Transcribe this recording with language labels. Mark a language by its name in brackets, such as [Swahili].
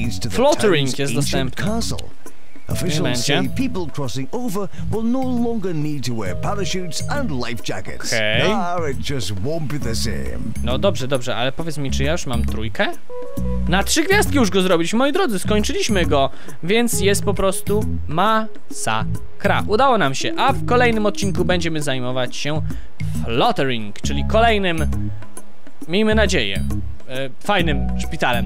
[Polish] Fluttering jest dostępne. [English] Officially, people crossing over will no longer need to wear parachutes and life jackets. Okay. Now it just won't be the same. [Polish] No dobrze, dobrze, ale powiedz mi, czy ja już mam trójkę? Na trzy gwiazdki już go zrobiliśmy, moi drodzy, skończyliśmy go, więc jest po prostu masakra. Udało nam się, a w kolejnym odcinku będziemy zajmować się fluttering, czyli kolejnym, miejmy nadzieję, fajnym szpitalem.